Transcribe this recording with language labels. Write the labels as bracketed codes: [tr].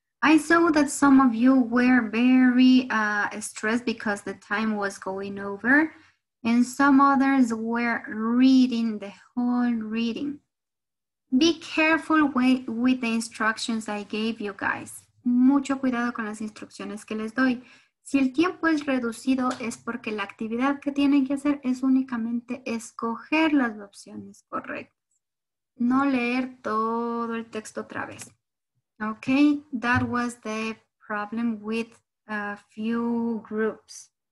[en] I saw that some of you were very stressed because the time was going over, and some others were reading the whole reading. Be careful with the instructions I gave you guys. [es] Mucho cuidado con las instrucciones que les doy. Si el tiempo es reducido, es porque la actividad que tienen que hacer es únicamente escoger las opciones correctas. No leer todo el texto otra vez. [en] Okay, that was the problem with a few groups.